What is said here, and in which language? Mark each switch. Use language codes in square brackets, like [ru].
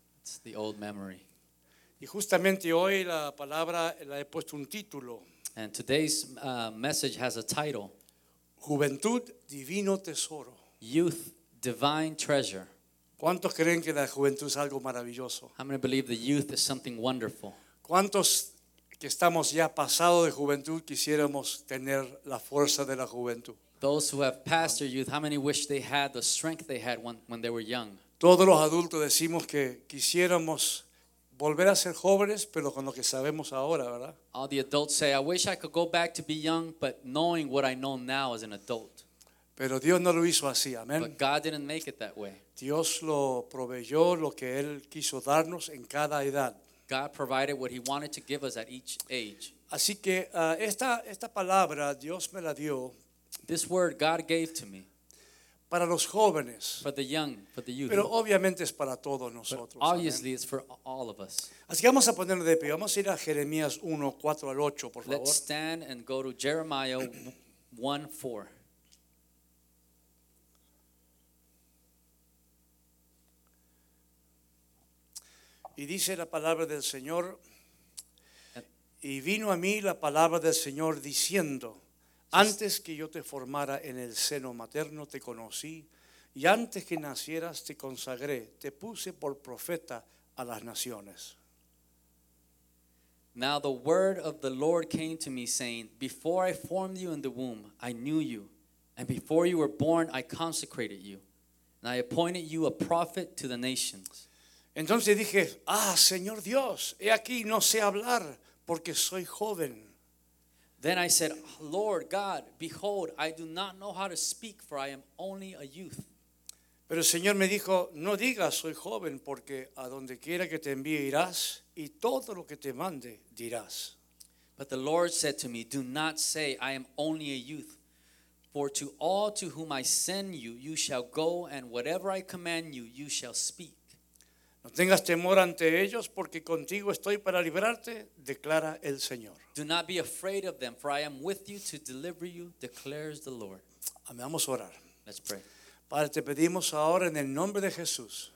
[en] It's the old memory. [es] Y justamente hoy la palabra la he puesto un título. [en] And today's message has a title. [es] Juventud, divino tesoro. [en] Youth, divine treasure. [es] ¿Cuántos creen que la juventud es algo maravilloso? [en] How many believe the youth is something wonderful? [es] ¿Cuántos que estamos ya pasados de juventud quisiéramos tener la fuerza de la juventud? [en] Those who have passed their youth, how many wish they had the strength they had when they were young? [es] Todos los adultos decimos que quisiéramos volver a ser jóvenes, pero con lo que sabemos ahora, ¿verdad? [en] All the adults say, I wish I could go back to be young, but knowing what I know now as an adult. [es] Pero Dios no lo hizo así, amén. [en] But God didn't make it that way. [es] Dios lo proveyó lo que Él quiso darnos en cada edad. [en] God provided what He wanted to give us at each age. [es] Así que esta palabra Dios me la dio. [en] This word God gave to me. [es] Para los jóvenes. [en] For the young, for the youth. [es] Pero obviamente es para todos nosotros. [en] But obviously, amen. It's for all of us. [es] Así que vamos a ponernos de pie. Vamos a ir a Jeremías 1, 4 al 8, por favor. [en] Let's stand and go to Jeremiah 1, 4. [es] Y dice la palabra del Señor. Y vino a mí la palabra del Señor diciendo: antes que yo te formara en el seno materno, te conocí, y antes que nacieras, te consagré, te puse por profeta a las naciones. [en] Now the word of the Lord came to me, saying, before I formed you in the womb, I knew you, and before you were born, I consecrated you, and I appointed you a prophet to the nations. [es] Entonces dije, ah, Señor Dios, he aquí no sé hablar, porque soy joven. [en] Then I said, Lord God, behold, I do not know how to speak, for I am only a youth. [es] Pero el Señor me dijo, no digas soy joven, porque a donde quiera que te envíe irás, y todo lo que te mande dirás. [en] But the Lord said to me, do not say I am only a youth, for to all to whom I send you, you shall go, and whatever I command you, you shall speak. [es] No tengas temor ante ellos, porque contigo estoy para librarte, declara el Señor. [en] Do not be afraid of them, for I am with you to deliver you, declares the Lord. [es] Amén. Vamos a orar. [en] Let's pray. [es] Padre, te pedimos ahora en el nombre de Jesús.